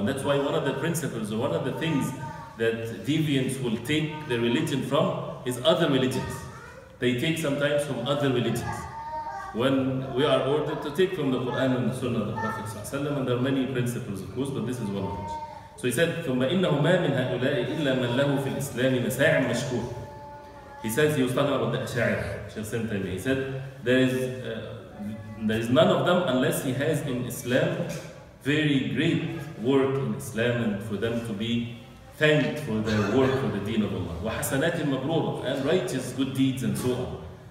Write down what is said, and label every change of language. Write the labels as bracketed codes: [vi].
[en] And that's why one of the principles or one of the things that deviants will take their religion from is other religions. They take sometimes from other religions. When we are ordered to take from the Quran and the Sunnah of the Prophet ﷺ, and there are many principles of course, but this is one of them. So he said, [ar] ثُمَّ إِنَّهُ مَا مِنْ هَؤُلَاءِ إِلَّا مَنْ لَهُ فِي الْإِسْلَامِ مَسَاعٍ مَشْكُورٍ. [en] He says, he was talking about the Asha'ir, Shaykh Sintami. He said, there is none of them unless he has in Islam very great work in Islam and for them to be thanked for their work for the Deen of Allah. [ar] وَحَسَنَاتٍ مَبْرُورَةٍ, [en] and righteous good deeds and so on.